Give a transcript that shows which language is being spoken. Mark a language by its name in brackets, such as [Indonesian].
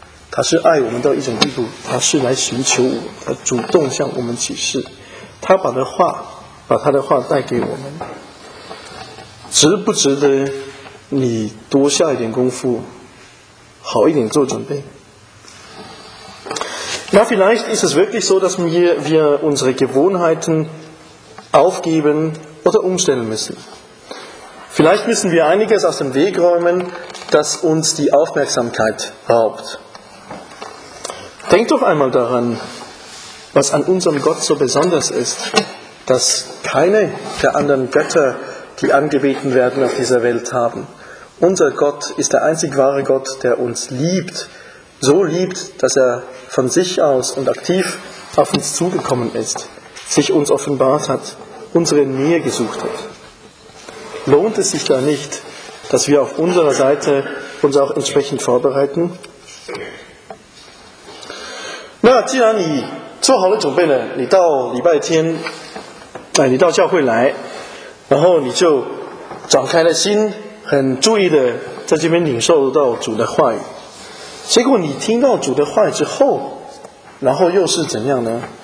[Chinese] 他是爱我们到一种地步，他是来寻求我们，他主动向我们启示，他把他的话带给我们。值不值得你多下一点功夫，好一点做准备？ [German] Ja, vielleicht ist es wirklich so, dass wir unsere Gewohnheiten aufgeben oder umstellen müssen. Vielleicht müssen wir einiges aus dem Weg räumen, das uns die Aufmerksamkeit raubt. Denkt doch einmal daran, was an unserem Gott so besonders ist, dass keine der anderen Götter, die angebeten werden auf dieser Welt, haben. Unser Gott ist der einzig wahre Gott, der uns liebt, so liebt, dass er von sich aus und aktiv auf uns zugekommen ist, sich uns offenbart hat, unsere Nähe gesucht hat. Lohnt es sich da nicht, dass wir auf unserer Seite uns auch entsprechend vorbereiten? [Chinese] Na, 既然你做好了准备了，你到礼拜天，哎，你到教会来，然后你就敞开了心，很注意的在这边领受到主的话语。结果你听到主的话语之后，然后又是怎样呢？